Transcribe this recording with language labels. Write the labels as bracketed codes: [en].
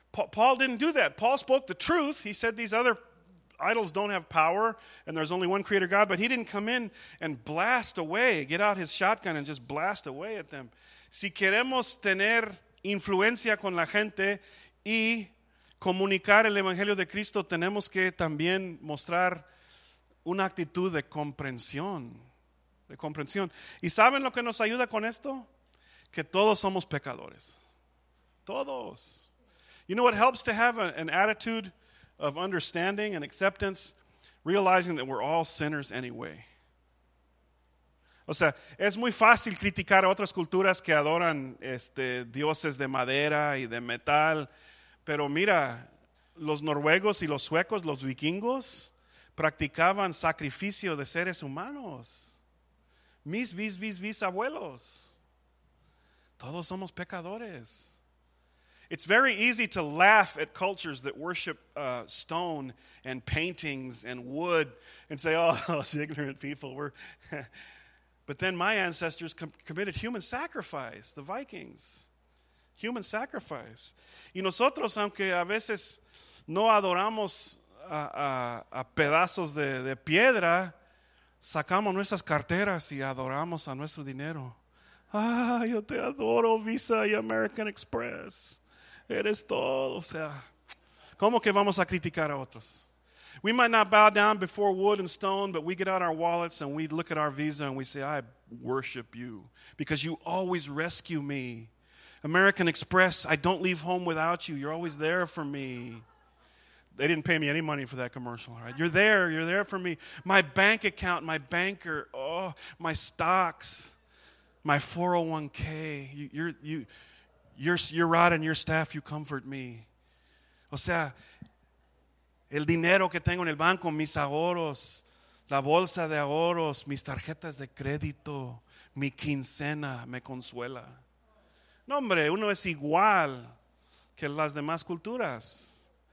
[en] Paul didn't do that. Paul spoke the truth. He said these other idols don't have power and there's only one creator God, but he didn't come in and blast away, get out his shotgun and just blast away at them. [es] Si queremos tener influencia con la gente y comunicar el Evangelio de Cristo, tenemos que también mostrar una actitud de comprensión. De comprensión. ¿Y saben lo que nos ayuda con esto? Que todos somos pecadores. Todos. [en] You know what helps to have an attitude of understanding and acceptance? Realizing that we're all sinners anyway. [es] O sea, es muy fácil criticar a otras culturas que adoran dioses de madera y de metal. Pero mira, los noruegos y los suecos, los vikingos, practicaban sacrificio de seres humanos. Mis abuelos. Todos somos pecadores. [en] It's very easy to laugh at cultures that worship stone and paintings and wood and say, oh, those ignorant people were. But then my ancestors committed human sacrifice, the Vikings. Human sacrifice. [es] Y nosotros, aunque a veces no adoramos a pedazos de piedra, sacamos nuestras carteras y adoramos a nuestro dinero. Ah, yo te adoro, Visa y American Express. Eres todo, o sea, ¿cómo que vamos a criticar a otros? [en] We might not bow down before wood and stone, but we get out our wallets and we look at our Visa and we say, I worship you because you always rescue me. American Express, I don't leave home without you. You're always there for me. They didn't pay me any money for that commercial, right? You're there for me. My bank account, my banker, oh, my stocks, my 401k, Your rod and your staff, you comfort me. [es] O sea, el dinero que tengo en el banco, mis ahorros, La bolsa de ahorros, mis tarjetas de crédito, mi quincena me consuela. No, hombre, uno es igual que las demás culturas.